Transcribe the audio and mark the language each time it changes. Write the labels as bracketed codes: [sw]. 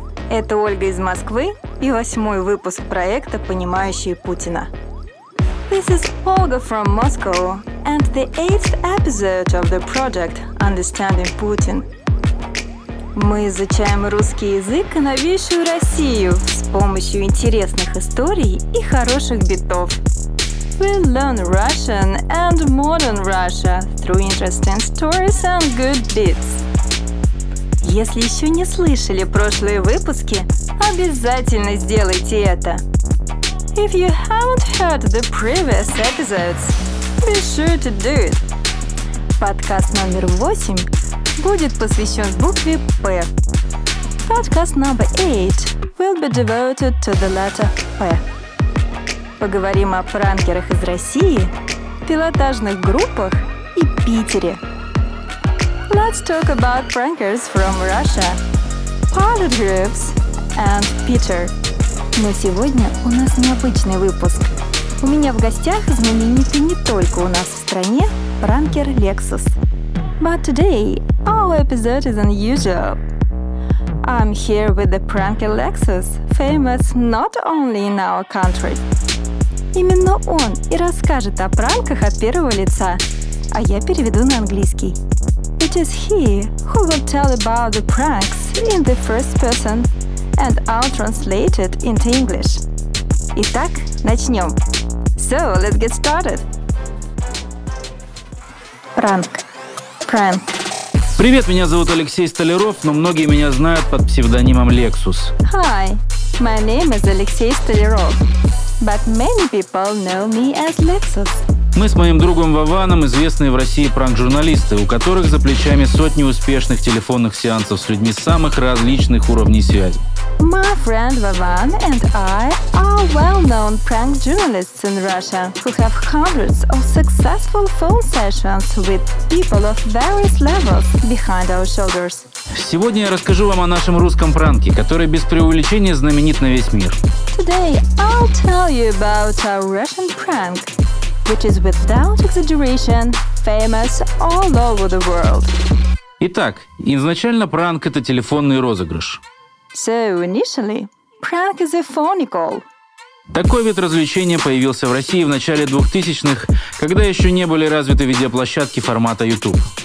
[ru] Это Ольга из Москвы и восьмой выпуск проекта «Понимающие Путина». [en] This is Olga from Moscow and the eighth episode of the project «Understanding Putin». [ru] Мы изучаем русский язык и новейшую Россию с помощью интересных историй и хороших битов. [en] We learn Russian and modern Russia through interesting stories and good beats. [ru] Если еще не слышали прошлые выпуски, обязательно сделайте это. [en] If you haven't heard the previous episodes, be sure to do it. [ru] Подкаст номер 8 будет посвящен букве P. Подкаст номер 8 [en] will be devoted to the letter P. [ru] Поговорим о пранкерах из России, пилотажных группах и Питере. [en] Let's talk about prankers from Russia, pilot groups and Peter. [ru] Но сегодня у нас необычный выпуск. У меня в гостях знаменитый не только у нас в стране пранкер Lexus. [en] But today our episode is unusual. I'm here with the pranker Lexus, famous not only in our country. [ru] Именно он и расскажет о пранках от первого лица, а я переведу на английский. [en] It is he who will tell about the pranks in the first person, and I'll translate it into English. [ru] Итак, начнем. [en] So, let's get started. [ru] Пранк. Пранк. Привет, меня зовут Алексей Столяров, но многие меня знают под псевдонимом Lexus. [en] Hi, my name is Алексей Столяров, but many people know me as Lexus. [ru] Мы с моим другом Вованом известные в России пранк-журналисты, у которых за плечами сотни успешных телефонных сеансов с людьми самых различных уровней связи. [en] My friend Vovan and I are well-known prank journalists in Russia who have hundreds of successful phone sessions with people of various levels behind our shoulders. [ru] Сегодня я расскажу вам о нашем русском пранке, который без преувеличения знаменит на весь мир. [en] Today I'll tell you about our Russian prank, which is without exaggeration famous all over the world. [ru] Итак, изначально пранк – это телефонный розыгрыш. [en] So, initially, prank is a phony call. [ru] Такой вид развлечения появился в России в начале 2000-х, когда еще не были развиты видеоплощадки формата YouTube.